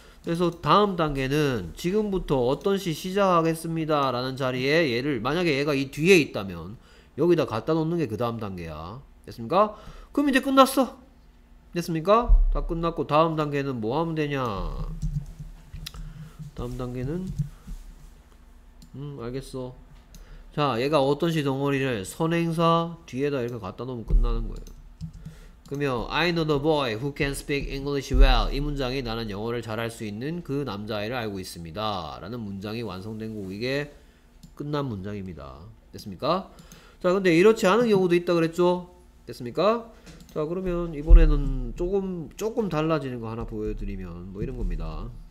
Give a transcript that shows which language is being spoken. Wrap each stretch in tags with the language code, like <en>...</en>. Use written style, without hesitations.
<ko>그래서 다음 단계는 지금부터 어떤 시 시작하겠습니다라는 자리에 얘를 만약에 얘가 이 뒤에 있다면 여기다 갖다 놓는 게그 다음 단계야. 됐습니까? 그럼 이제 끝났어. 됐습니까? 다 끝났고 다음 단계는 뭐 하면 되냐? 다음 단계는 알겠어. 자, 얘가 어떤 시 덩어리를 선행사 뒤에다 이렇게 갖다 놓으면 끝나는 거예요. 그러면</ko> <en>I know the boy who can speak English well.</en> <ko>이 문장이 나는 영어를 잘할 수 있는 그 남자아이를 알고 있습니다라는 문장이 완성된 거고 이게 끝난 문장입니다. 됐습니까? 자, 근데 이렇지 않은 경우도 있다 그랬죠? 됐습니까? 자, 그러면 이번에는 조금 달라지는 거 하나 보여드리면 뭐 이런 겁니다.</ko>